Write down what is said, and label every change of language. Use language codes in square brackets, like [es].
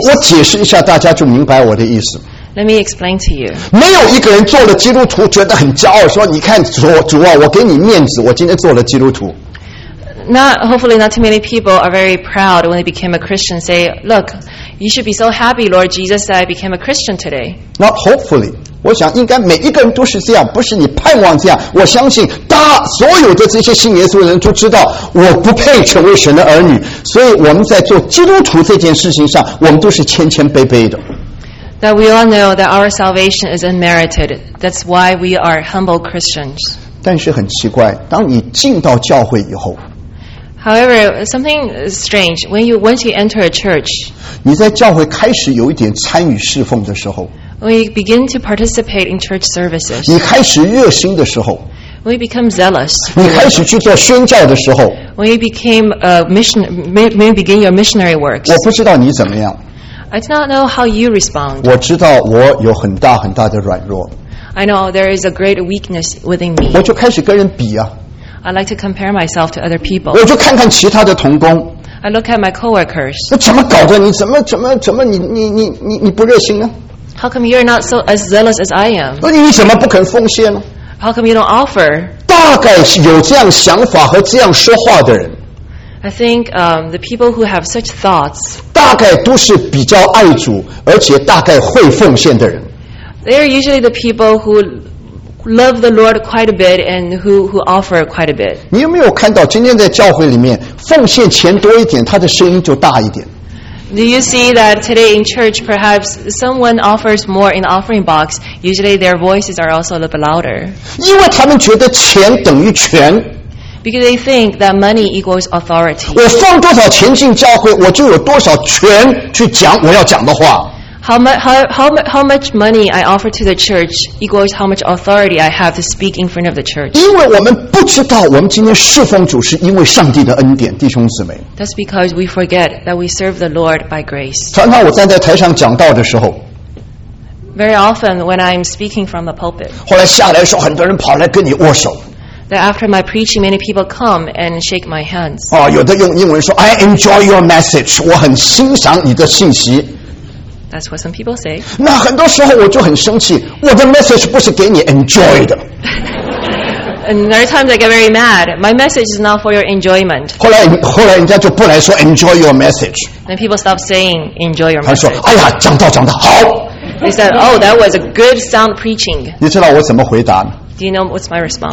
[zh] 我解释一下，大家就明白我的意思。 [en] Let me explain to you. [zh] 没有一个人做了基督徒觉得很骄傲，说你看主啊，我给你面子，我今天做了基督徒。 [en] Hopefully not too many people are very proud when they became a Christian. Say, look, you should be so happy, Lord Jesus, that I became a Christian today. Not hopefully. [zh] 我想应该每一个人都是这样，不是你盼望这样。我相信大所有的这些信耶稣的人都知道，我不配成为神的儿女。所以我们在做基督徒这件事情上，我们都是谦谦卑卑的。 [en] That we all know that our salvation is unmerited. That's why we are humble Christians. [zh] 但是很奇怪，当你进到教会以后 [en] ，However, something strange when you once you enter a church， [zh] 你在教会开始有一点参与侍奉的时候。 [en] When you begin to participate in church services, [zh] 你开始热心的时候 [en] ，when you become zealous, [zh] 你开始去做宣教的时候 [en] ，when you became a mission, may begin your missionary works. [zh] 我不知道你怎么样 [en] ，I do not know how you respond. [zh] 我知道我有很大很大的软弱 [en] ，I know there is a great weakness within me. [zh] 我就开始跟人比啊 [en] ，I like to compare myself to other people. [zh] 我就看看其他的同工。 [en] I look at my coworkers. [zh] 那怎么搞的？你怎么不热心呢？ [en] How come you're not so as zealous as I am? [zh] 你怎么不肯奉献呢 [en] ？How come you don't offer? [zh] 大概有这样想法和这样说话的人 [en] ，I think the people who have such thoughts [zh] 大概都是比较爱主，而且大概会奉献的人。 [en] They are usually the people who love the Lord quite a bit and who offer quite a bit. [zh] 你有没有看到今天在教会里面奉献钱多一点，他的声音就大一点？ [en] Do you see that today in church, perhaps someone offers more in the offering box? Usually, their voices are also a little bit louder. [zh] 因为他们觉得钱等于权 [en] Because they think that money equals authority. [zh] 我放多少钱进教会，我就有多少权去讲我要讲的话。 [en] How much money I offer to the church equals how much authority I have to speak in front of the church. [zh] 因为我们不知道我们今天侍奉主是因为上帝的恩典，弟兄姊妹。 [en] That's because we forget that we serve the Lord by grace. [zh] 常常我站在台上讲道的时候。 [en] Very often when I'm speaking from the pulpit. [zh] 后来下来的时候，很多人跑来跟你握手。 [en] That after my preaching, many people come and shake my hands. [zh] 哦，有的用英文说 ， [en] I enjoy your message. [zh] 我很欣赏你的信息。 [en] That's what some people say. [zh] 那很多时候我就很生气，我的 message 不是给你 enjoy 的。 [en] And there are times I get very mad. My message is not for your enjoyment. [zh] 后来人家就不来说 [en] enjoy your message. Then people stop saying enjoy your message. [zh] 他说：“哎呀，讲道讲得好。” [en] They said, "Oh, that was a good sound preaching." [zh] 你知道我怎么回答吗？ [en] Do you know what's my response?